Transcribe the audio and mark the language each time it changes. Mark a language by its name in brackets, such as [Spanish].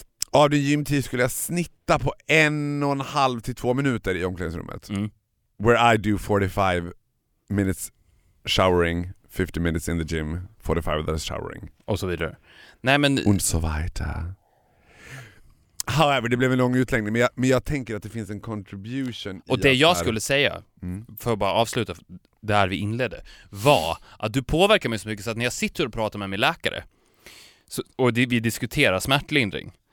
[Swedish] Av din gymtid skulle jag snitta på 1,5 till 2 minuter i omklädningsrummet. Mm. [English] Where I do 45 minutes showering, 50 minutes in the gym, 45 minutes showering. [Swedish] Och så vidare. Nej, men... [German] Und so weiter. [Swedish] However, det blev en lång utläggning, men jag tänker att det finns en contribution. Och det jag skulle säga, för att bara avsluta där vi inledde, var att du påverkar mig så mycket så att när jag sitter och pratar med min läkare vi diskuterar smärtlindring.